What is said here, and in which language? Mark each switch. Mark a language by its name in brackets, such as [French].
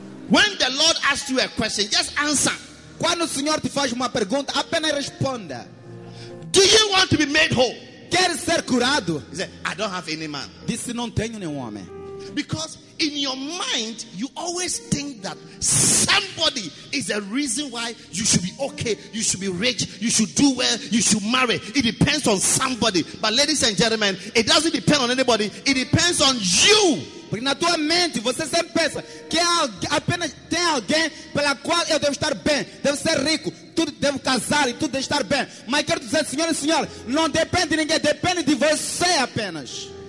[English] When the Lord asks you a question, just answer. [Portuguese] Quando o Senhor te faz uma pergunta, apenas responda. [English] Do you want to be made whole? [Portuguese] Quer ser curado? [English] He said, I don't have any man. [Portuguese] Disse, não tenho nenhum homem. [English] Because in your mind, you always think that somebody is the reason why you should be okay, you should be rich, you should do well, you should marry. It depends on somebody. But ladies and gentlemen, it doesn't depend on anybody. It depends on you. [Portuguese] Porque na tua mente, você sempre pensa que apenas tem alguém pela qual eu devo estar bem. Devo ser rico, tudo devo casar e tudo deve estar bem. Mas quero dizer, senhor e senhora, não depende de ninguém, depende de você apenas.